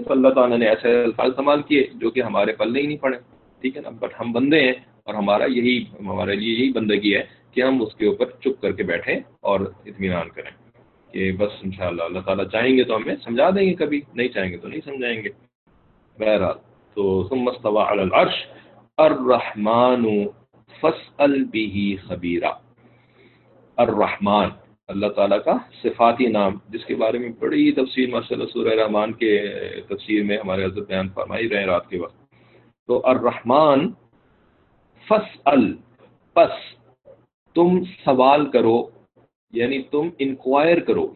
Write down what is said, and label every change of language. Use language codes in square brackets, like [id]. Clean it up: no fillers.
[ur] تو اللہ تعالیٰ نے ایسے الفاظ استعمال کیے جو کہ ہمارے پلے ہی نہیں پڑے, ٹھیک ہے نا. بٹ ہم بندے ہیں اور ہمارے لیے یہی بندگی ہے کہ ہم اس کے اوپر چپ کر کے بیٹھیں اور اطمینان کریں کہ بس ان شاء اللہ تعالیٰ چاہیں گے تو ہمیں سمجھا دیں گے, کبھی نہیں چاہیں گے تو نہیں سمجھائیں گے. بہرحال تو [ar] ثم استوى على العرش الرحمن فاسأل به خبيرا. [ur] الرحمن اللہ تعالیٰ کا صفاتی نام, جس کے بارے میں بڑی تفصیل ماشاء اللہ سورہ رحمان کے تفسیر میں ہمارے حضرت بیان فرمائی رہے رات کے وقت. تو [ar] الرحمن فاسأل, [ur] پس تم سوال کرو یعنی تم انکوائر کرو.